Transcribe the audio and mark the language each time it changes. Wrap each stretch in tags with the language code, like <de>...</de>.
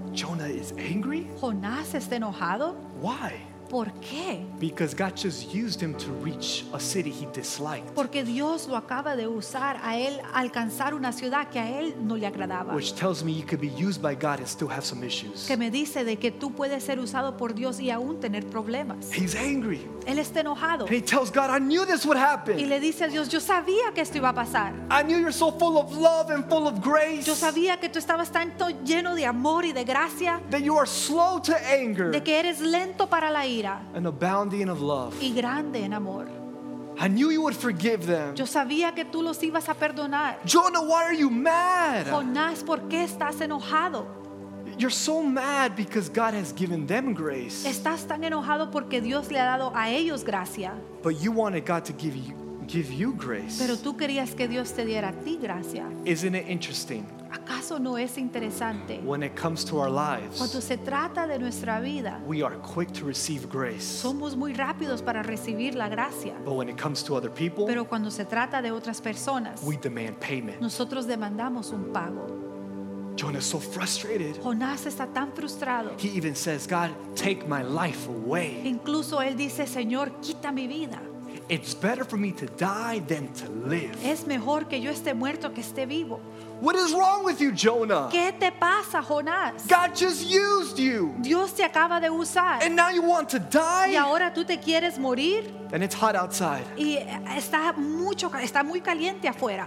<en>Jonah is angry?</en> <es>Jonás está enojado.</es> <en>Why?</en> <es>¿Por qué?</es> <en>Because God just used him to reach a city he disliked.</en> <es>Porque Dios lo acaba de usar a él alcanzar una ciudad que a él no le agradaba.</es> <en>Which tells me you could be used by God and still have some issues.</en> <es>Que me dice de que tú puedes ser usado por Dios y aún tener problemas.</es> <en>He's angry.</en> <es>Él está enojado.</es> <en>And he tells God, I knew this would happen.</en> <es>Y le dice a Dios, yo sabía que esto iba a pasar.</es> <en>I knew you're so full of love and full of grace.</en> <es>Yo sabía que tú estabas tanto lleno de amor y de gracia.</es> <en>That you are slow to anger.</en> <es>De que eres lento para la ira.</es> <en>An abounding of love.</en> <es>Y grande en amor.</es> <en>I knew you would forgive them.</en> <es>Yo sabía que tú los ibas a perdonar.</es> <en>Jonah, why are you mad?</en> <es>Jonás, ¿por qué estás enojado?</es> <en>You're so mad because God has given them grace.</en> <es>Estás tan enojado porque Dios le ha dado a ellos gracia.</es> <en>But you wanted God to give you grace.</en> <es>Pero tú querías que Dios te diera a ti gracia.</es> <en>Isn't it interesting?</en> <es>¿Acaso no es interesante?</es> <en>When it comes to our lives,</en> <es>cuando se trata de nuestra vida,</es> <en>we are quick to receive grace.</en> <es>Somos muy rápidos para recibir la gracia.</es> <en>But when it comes to other people,</en> <es>pero cuando se trata de otras personas,</es> <en>we demand payment.</en> <es>Nosotros demandamos un pago.</es> <en>Jonah is so frustrated.</en> <es>Jonás está tan frustrado.</es> <en>He even says, God, take my life away.</en> <es>Incluso él dice, Señor, quita mi vida.</es> <en>It's better for me to die than to live.</en> <es>Es mejor que yo esté muerto que esté vivo.</es> <en>What is wrong with you, Jonah?</en> <es>¿Qué te pasa, Jonás?</es> <en>God just used you.</en> <es>Dios te acaba de usar.</es> <en>And now you want to die?</en> <es>¿Y ahora tú te quieres morir?</es> <en>And it's hot outside.</en> <es>Y está mucho, está muy caliente afuera.</es>